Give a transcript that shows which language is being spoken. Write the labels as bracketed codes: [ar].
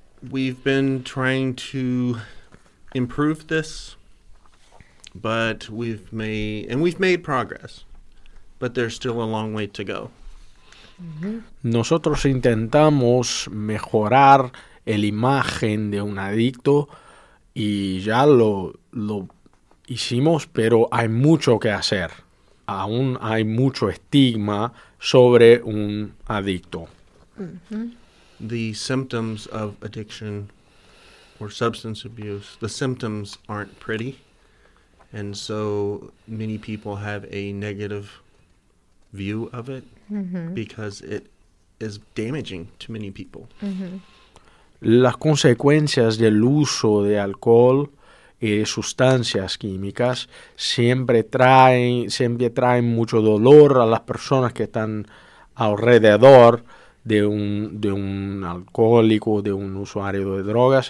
[en] We've been trying to improve this, but we've made progress, but there's still a long way to go. [es] Nosotros intentamos mejorar el imagen de un adicto y ya lo hicimos, pero hay mucho que hacer. Aún hay mucho estigma sobre un adicto. [en] The symptoms of addiction or substance abuse, the symptoms aren't pretty. And so many people have a negative view of it because it is damaging to many people. [es] Las consecuencias del uso de alcohol y de sustancias químicas siempre traen mucho dolor a las personas que están alrededor de un alcohólico, de un usuario de drogas.